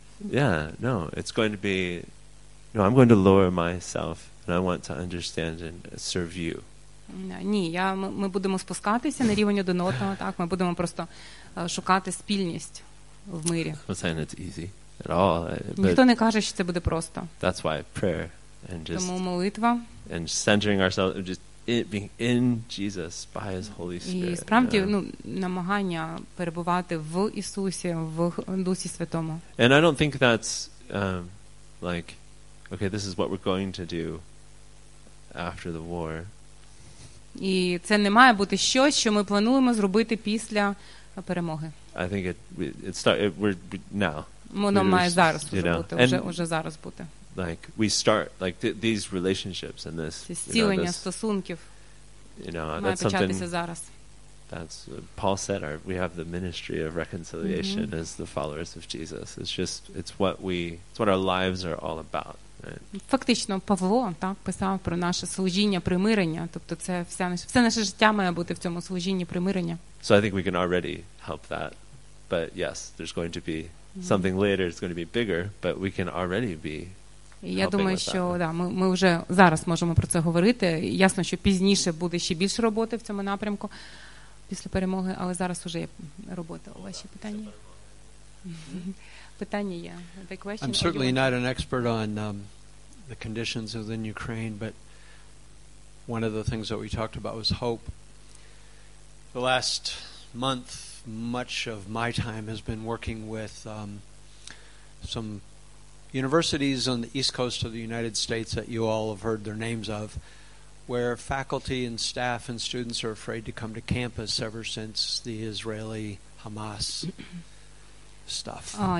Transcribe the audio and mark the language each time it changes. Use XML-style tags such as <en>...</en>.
<en>Yeah, no, it's going to be, no, I'm going to lower myself and I want to understand and serve you.</en> <uk>Ні, ми будемо спускатися на рівень одинотного, так, ми будемо просто шукати спільність. В мирі.</uk> <en>I'm not saying it's easy at all.</en> <uk>Ніхто не каже, що це буде просто.</uk> <en>That's why prayer and just.</en> <uk>Тому молитва.</uk> <en>And centering ourselves, just it being in Jesus by His Holy Spirit.</en> <uk>І справді, ну, намагання перебувати в Ісусі, в Дусі Святому.</uk> <en>And I don't think that's like, okay, this is what we're going to do after the war.</en> <uk>І це не має бути щось, що ми плануємо зробити після перемоги.</uk> <en>I think we're now.</en> <uk>Воно має зараз вже бути, вже зараз бути.</uk> <en>Like we start like these relationships and this.</en> <uk>Зцілення стосунків.</uk> <en>You know, that's something.</en> <uk>Має початися зараз.</uk> <en>That's Paul said, we have the ministry of reconciliation as the followers of Jesus. It's what our lives are all about, right?</en> <uk>Фактично Павло так писав про наше служіння примирення, тобто це все наше життя має бути в цьому служінні примирення.</uk> <en>So I think we can already help that. But yes, there's going to be something later, it's going to be bigger, but we can already be.</en> <uk>Я думаю, що да, ми вже зараз можемо про це говорити. Ясно, що пізніше буде ще більше роботи в цьому напрямку після перемоги, але зараз уже є робота. У вас ще питання? Питання є.</uk> <en>The question. I'm certainly not an expert on the conditions within Ukraine, but one of the things that we talked about was hope. The last month, much of my time has been working with some universities on the East Coast of the United States that you all have heard their names of, where faculty and staff and students are afraid to come to campus ever since the Israeli Hamas stuff.</en>